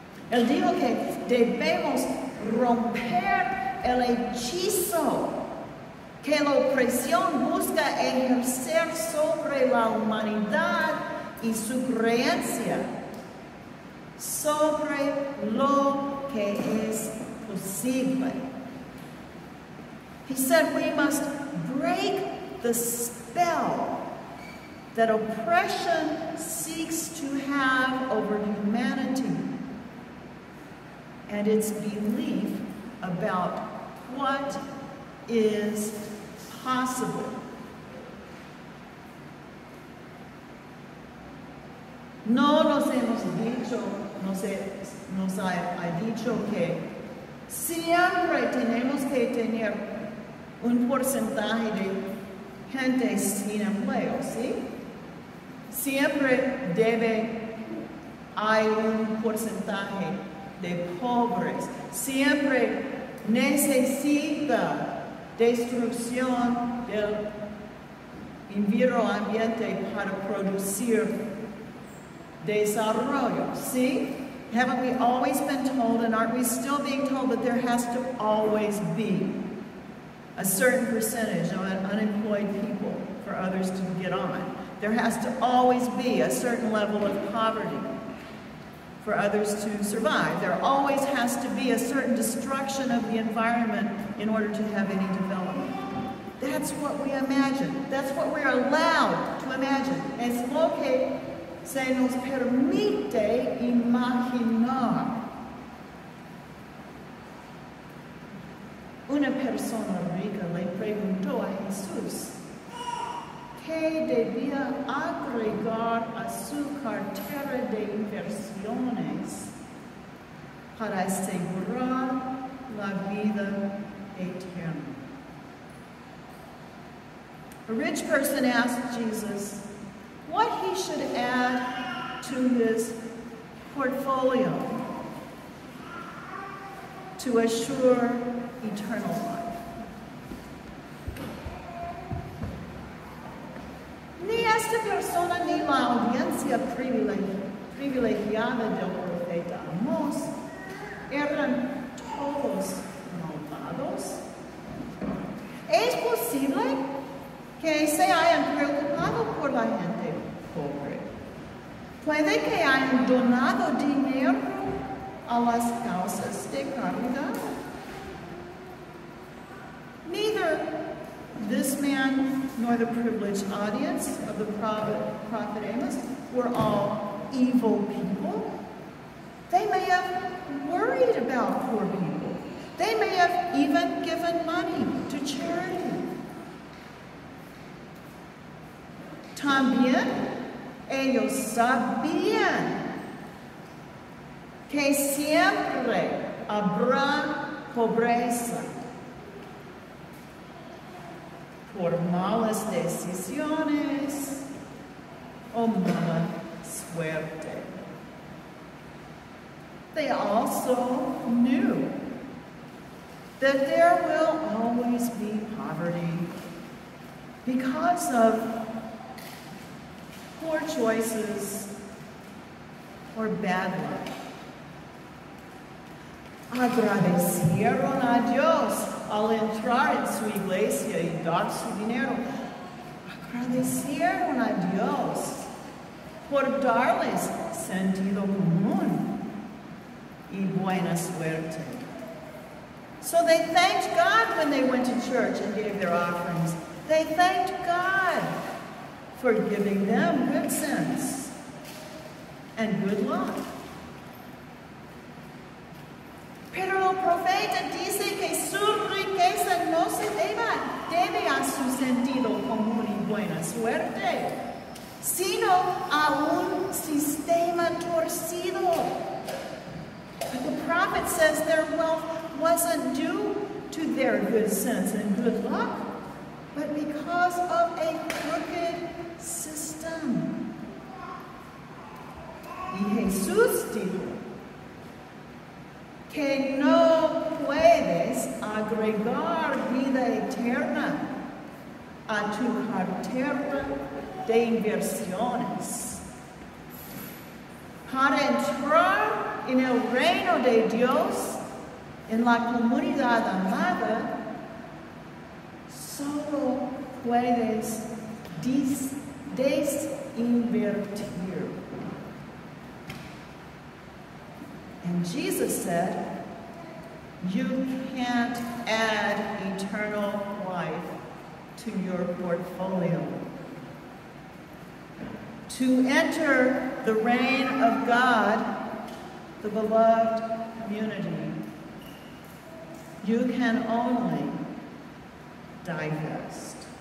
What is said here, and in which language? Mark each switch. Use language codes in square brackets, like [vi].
[es] Él dijo que debemos romper el hechizo que la opresión busca ejercer sobre la humanidad y su creencia, sobre lo que es posible. [en] He said we must break the spell that oppression seeks to have over humanity and its belief about what is possible. [es] No nos hemos dicho, nos ha dicho que siempre tenemos que tener un porcentaje de gente sin empleo, ¿sí? Siempre debe hay un porcentaje de pobres. Siempre necesita destrucción del environnente para producir desarrollo, ¿sí? [en] Haven't we always been told, and aren't we still being told, that there has to always be a certain percentage of unemployed people for others to get on? There has to always be a certain level of poverty for others to survive. There always has to be a certain destruction of the environment in order to have any development. That's what we imagine. That's what we're allowed to imagine. [es] Es lo que se nos permite imaginar. Una persona rica le preguntó a Jesús qué debía agregar a su cartera de inversiones para asegurar la vida eterna. [en] A rich person asked Jesus what he should add to his portfolio to assure eternal life. [es] Ni esta persona ni la audiencia privilegiada del profeta Amós eran todos malvados. ¿Es posible que se hayan preocupado por la gente pobre? ¿Puede que hayan donado dinero a las causas de caridad? [en] Neither this man nor the privileged audience of the prophet Amos were all evil people. They may have worried about poor people. They may have even given money to charity. [es] También ellos sabían que siempre habrá pobreza por malas decisiones o mala suerte. [en] They also knew that there will always be poverty because of poor choices or bad luck. [es] Agradecieron a Dios al entrar en su iglesia y dar su dinero. Agradecieron a Dios por darles sentido común y buena suerte. [en] So they thanked God when they went to church and gave their offerings. They thanked God for giving them good sense and good luck. [es] Pero el profeta dice que su riqueza no se debe a su sentido común y buena suerte, sino a un sistema torcido. [en] But the prophet says their wealth wasn't due to their good sense and good luck, but because of a crooked system. [es] Y Jesús dijo que no puedes agregar vida a tu cartera de inversiones. Para entrar en el reino de Dios, en la comunidad amada, solo puedes desinvertir. [en] And Jesus said, you can't add eternal life to your portfolio. To enter the reign of God, the beloved community, you can only divest.